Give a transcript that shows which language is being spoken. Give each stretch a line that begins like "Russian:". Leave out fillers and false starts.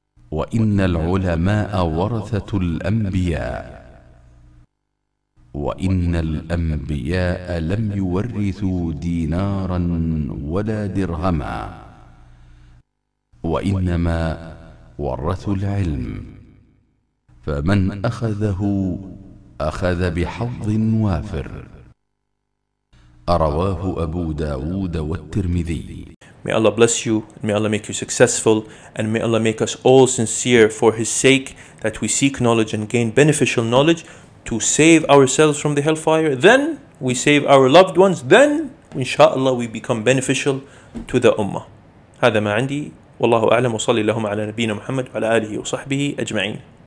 Arabic: وإن العلماء ورثة الأنبياء وإن الأنبياء لم يورثوا دينارا ولا درهما وإنما ورثوا العلم فمن أخذه أخذ بحظ وافر. رواه أبو داود والترمذي.
English: May Allah bless you. May Allah make you successful. And may Allah make us all sincere for His sake, that we seek knowledge and gain beneficial knowledge to save ourselves from the hellfire. Then we save our loved ones. Then, inshallah, we become beneficial to the ummah.
Arabic: هذا ما عندي. والله أعلم. وصلي اللهم على نبينا محمد وعلى آله وصحبه أجمعين.